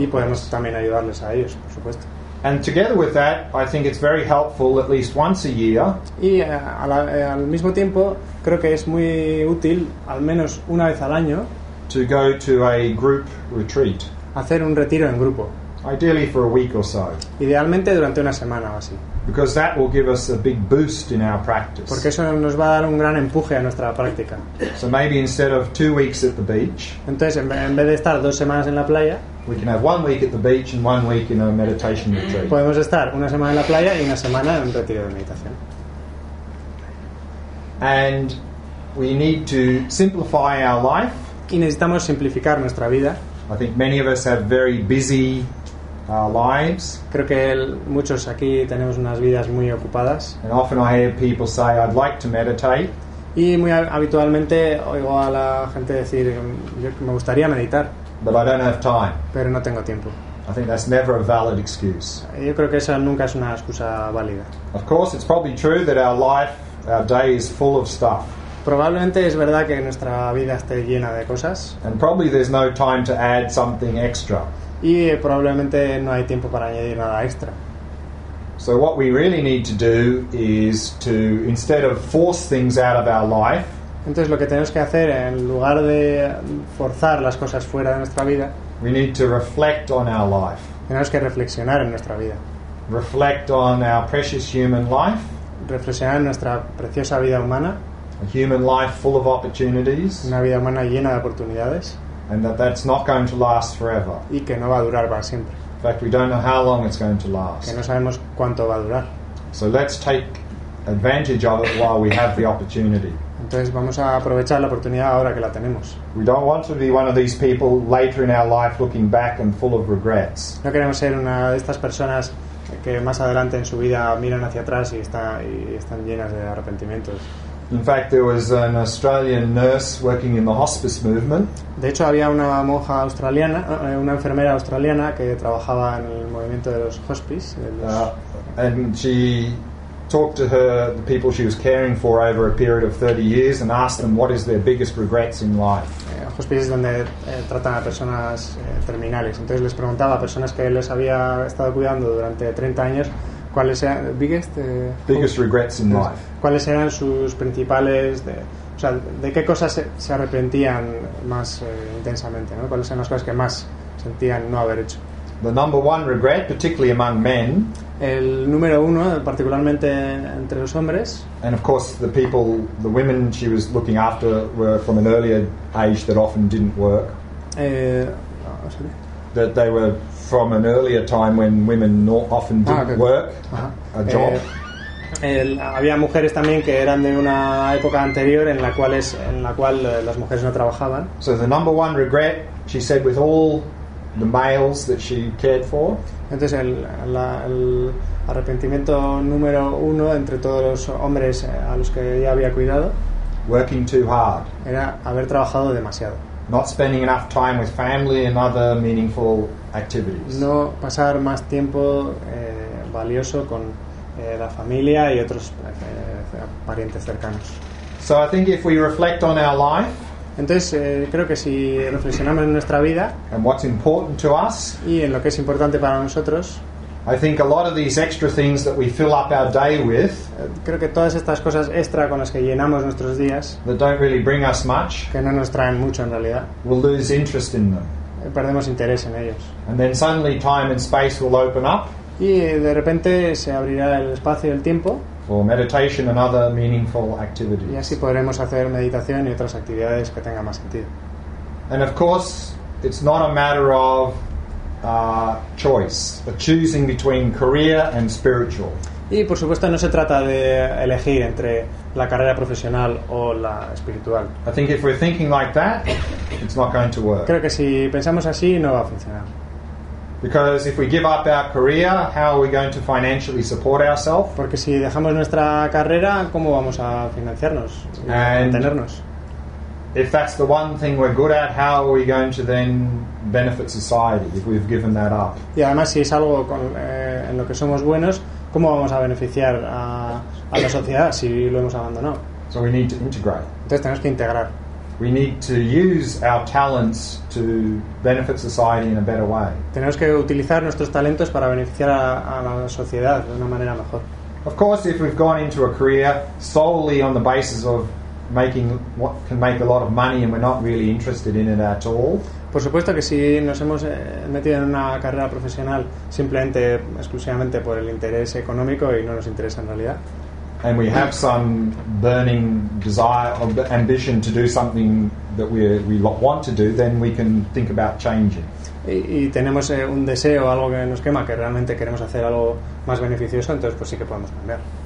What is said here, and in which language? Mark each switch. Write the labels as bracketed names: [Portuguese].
[Spanish] Y podemos también ayudarles a ellos, por supuesto. [English] And together with that, I think it's very helpful at least once a year. [Spanish] Y al mismo tiempo, creo que es muy útil al menos una vez al año. [English] To go to a group retreat. [Spanish] Hacer un retiro en grupo. [English] Ideally for a week or so. [Spanish] Idealmente durante una semana o así. [English] Because that will give us a big boost in our practice. [Spanish] Porque eso nos va a dar un gran empuje a nuestra práctica. [English] So maybe instead of 2 weeks at the beach. [Spanish] Entonces en vez de estar 2 semanas en la playa. [English] We can have 1 week at the beach and 1 week in a meditation retreat. [Spanish] Podemos estar una semana en la playa y una semana en un retiro de meditación. [English] And we need to simplify our life. [Spanish] Y necesitamos simplificar nuestra vida. [English] I think many of us have very busy lives. [Spanish] Creo que muchos aquí tenemos unas vidas muy ocupadas. [English] And often I hear people say, "I'd like to meditate." [Spanish] Y muy habitualmente oigo a la gente decir, "Yo me gustaría meditar." [English] But I don't have time. [Spanish] Pero no tengo tiempo. [English] I think that's never a valid excuse. [Spanish] Yo creo que esa nunca es una excusa válida. [English] Of course, it's probably true that our life, our day, is full of stuff. [Spanish] Probablemente es verdad que nuestra vida esté llena de cosas. [English] And probably there's no time to add something extra. [Spanish] Y probablemente no hay tiempo para añadir nada extra. [English] So what we really need to do is to, instead of force things out of our life, [Spanish] Entonces lo que tenemos que hacer, en lugar de forzar las cosas fuera de nuestra vida, [English] we need to reflect on our life. [Spanish] Tenemos que reflexionar en nuestra vida. [English] Reflect on our precious human life. [Spanish] Reflexionar en nuestra preciosa vida humana. [English] A human life full of opportunities. [Spanish] Una vida humana llena de oportunidades. [English] And that's not going to last forever. [Spanish] Y que no va a durar para siempre. [English] In fact, we don't know how long it's going to last. [Spanish] Que no sabemos cuánto va a durar. [English] So let's take advantage of it while we have the opportunity. [Spanish] Entonces vamos a aprovechar la oportunidad ahora que la tenemos. [English] We don't want to be one of these people later in our life looking back and full of regrets. [Spanish] No queremos ser una de estas personas que más adelante en su vida miran hacia atrás y están llenas de arrepentimientos. [English] In fact, there was an Australian nurse working in the hospice movement. [Spanish] De hecho, había una monja australiana, una enfermera australiana que trabajaba en el movimiento de los hospice. [English] And she talked to her the people she was caring for over a period of 30 years and asked them what is their biggest regrets in life. [Spanish] Hospices donde tratan a personas terminales. Entonces les preguntaba a personas que les había estado cuidando durante 30 años cuáles eran [English] biggest regrets in life. [Spanish] ¿Cuáles eran sus principales de qué cosas se arrepentían más intensamente, ¿no? ¿Cuáles eran las cosas que más sentían no haber hecho? [English] The number one regret, particularly among men. [Spanish] El número uno, particularmente entre los hombres. [English] And of course, the people, the women she was looking after, were from an earlier age that often didn't work. That they were from an earlier time when women often didn't work a job. [Spanish] Había mujeres también que eran de una época anterior en la cual las mujeres no trabajaban. [English] So the number one regret, she said, with all the males that she cared for. [Spanish] Entonces el arrepentimiento número uno entre todos los hombres a los que ella había cuidado. [English] Working too hard. [Spanish] Era haber trabajado demasiado. [English] Not spending enough time with family and other meaningful activities. [Spanish] No pasar más tiempo valioso con la familia y otros parientes cercanos. [English] So I think if we reflect on our life. [Spanish] Entonces creo que si reflexionamos en nuestra vida [English] and what's important to us, [Spanish] y en lo que es importante para nosotros, [English] I think a lot of these extra things that we fill up our day with, [Spanish] creo que todas estas cosas extra con las que llenamos nuestros días, [English] that don't really bring us much, [Spanish] que no nos traen mucho en realidad, [English] we'll lose interest in them. [Spanish] Perdemos interés en ellos. [English] And then suddenly time and space will open up, [Spanish] y de repente se abrirá el espacio y el tiempo. [English] Or meditation and other meaningful activities. [Spanish] Y así podremos hacer meditación y otras actividades que tengan más sentido. [English] And of course, it's not a matter of choice, but choosing between career and spiritual. [Spanish] Y por supuesto no se trata de elegir entre la carrera profesional o la espiritual. [English] I think if we're thinking like that, it's not going to work. [Spanish] Creo que si pensamos así no va a funcionar. [English] Because if we give up our career, how are we going to financially support ourselves? [Spanish] Porque si dejamos nuestra carrera, ¿cómo vamos a financiarnos y mantenernos? [English] If that's the one thing we're good at, how are we going to then benefit society if we've given that up? [Spanish] Y además, si es algo en lo que somos buenos, ¿cómo vamos a beneficiar a la sociedad si lo hemos abandonado? [English] So we need to integrate. [Spanish] Entonces tenemos que integrar. [English] We need to use our talents to benefit society in a better way. [Spanish] Tenemos que utilizar nuestros talentos para beneficiar a la sociedad de una manera mejor. [English] Of course, if we've gone into a career solely on the basis of making what can make a lot of money and we're not really interested in it at all. [Spanish] Por supuesto que si nos hemos metido en una carrera profesional simplemente exclusivamente por el interés económico y no nos interesa en realidad. [English] And we have some burning desire or ambition to do something that we want to do, then we can think about changing. [Spanish] Y tenemos un deseo, algo que nos quema, que realmente queremos hacer algo más beneficioso, entonces pues sí que podemos cambiar.